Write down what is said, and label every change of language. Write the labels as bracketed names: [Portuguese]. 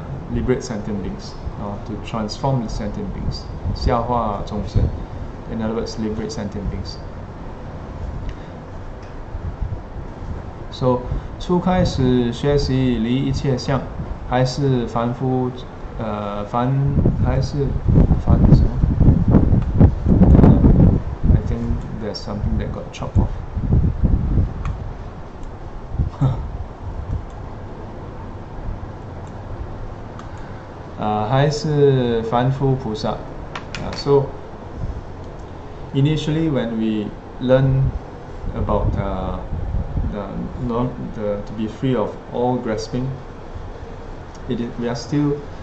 [English] liberate sentient beings, to transform the sentient beings, [Chinese] 下化众生, [English] in other words, liberate sentient beings. [Chinese] So, 初开始学习离一切相, 还是凡夫, 凡, 还是凡什么? [English] I think there's something that got chopped off. [Chinese] 还是凡夫菩萨 [English] So initially when we learn about to be free of all grasping we are still